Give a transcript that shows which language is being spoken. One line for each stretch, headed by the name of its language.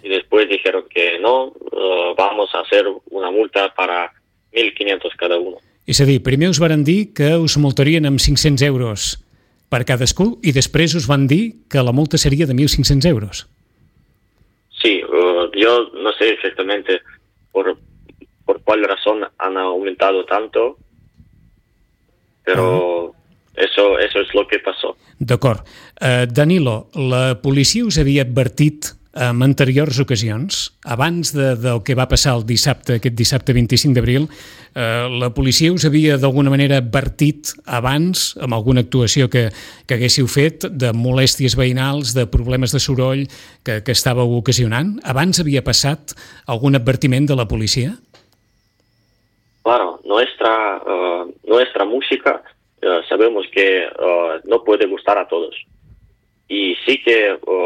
Spanish: Y después dijeron que no, vamos a hacer una multa para 1.500 cada uno.
Catalan: És a dir, primer us varen dir que us multarien amb 500 euros per cadascú i després us van dir que la multa seria de 1.500 euros. Sí, jo no sé exactament per qual raó han augmentat tant, però
Spanish: eso es lo que pasó.
Catalan: D'acord. Danilo, la policia us havia advertit en anteriors ocasions, abans del que va passar el dissabte, aquest dissabte 25 d'abril, la policia us havia d'alguna manera advertit abans, amb alguna actuació que haguéssiu fet, de molèsties veïnals, de problemes de soroll que estàveu ocasionant? Abans havia passat algun advertiment de la policia?
Spanish: Claro, nuestra música, sabemos que no puede gustar a todos. Y sí que...